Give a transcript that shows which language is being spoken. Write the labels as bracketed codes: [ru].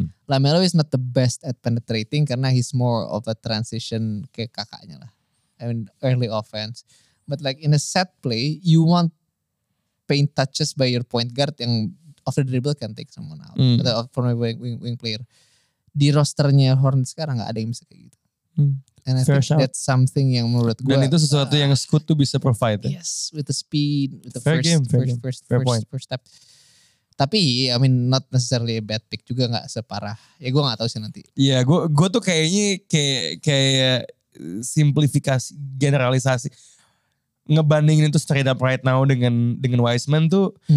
[en] LaMelo is not the best at penetrating karena he's more of a transition [id] ke kakaknya lah. [en] I mean early offense. But like in a set play, you want paint touches by your point guard yang off the dribble can take someone out. From a wing player. [id] Di rosternya Hornets sekarang gak ada yang bisa kayak gitu. [en] And I think that's something [id] yang menurut gue. Dan itu sesuatu yang Scoot tuh bisa provide. [en] Yes, with the speed, with the first step. [id] Tapi, [en] I mean not necessarily a bad pick [id] juga gak separah. Ya gue gak tahu sih nanti. Iya, gue tuh kayaknya kayak simplifikasi, generalisasi. Ngebandingin itu [en] straight up right now [id] dengan Wiseman tuh.